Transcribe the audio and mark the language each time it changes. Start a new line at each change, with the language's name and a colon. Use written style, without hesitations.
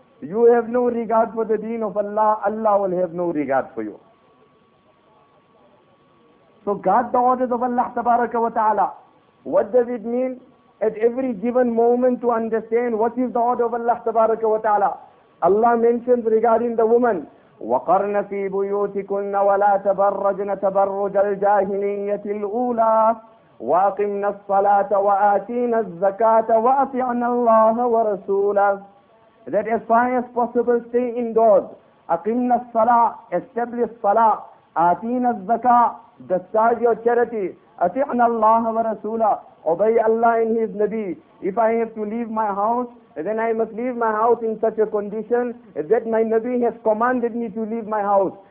English: You have no regard for the deen of Allah, Allah will have no regard for you. So guard the orders of Allah tabaraka wa ta'ala. What does it mean? At every given moment to understand what is the order of Allah tabaraka wa ta'ala. Allah mentions regarding the woman,
Arabic: وَقَرْنَ فِي بُيُوتِكُنَّ وَلَا تَبَرَّجْنَ تَبَرُّجَ الْجَاهِلِيَّةِ الْأُولَى وَاقِمْنَ الصَّلَاةَ وَآتِينَ الزَّكَاةَ وَأَطِعْنَ اللَّهَ وَرَسُولَهُ.
English: That as far as possible stay indoors.
Arabic: أَقِمْنَ الصَّلَاةَ,
English: establish صَلَاةَ,
Arabic: آتِينَ الزَّكَاةَ,
English: discharge your charity,
Arabic: أَطِعْنَ اللَّهَ وَرَسُولَهُ,
English: obey Allah and His Nabi. If I have to leave my house, then I must leave my house in such a condition that my Nabi has commanded me to leave my house.